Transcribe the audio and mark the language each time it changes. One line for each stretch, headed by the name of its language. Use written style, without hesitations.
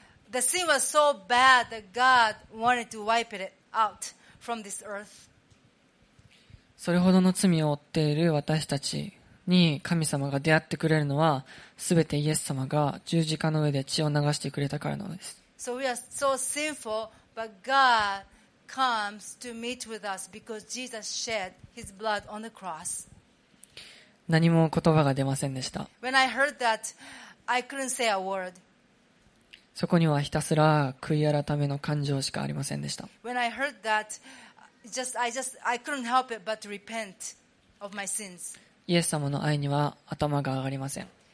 English: The sin was so bad that God wanted to wipe it out from this earth.
Japanese: それほどの罪を負っている私たちに神様が出会ってくれるのは、すべてイエス様が十字架の上で血を流してくれたからなのです。
English: So we are so sinful, but God comes to meet with us because Jesus shed His blood on the cross.
Japanese: 何も言葉が出ませんでした。
English: When I heard that, I couldn't say a word.
Japanese: そこにはひたすら悔い改めの感情しかありませんでした。
English: When I heard that, I couldn't help it but repent of my sins.
Japanese: イエス様の愛には頭が上がりません。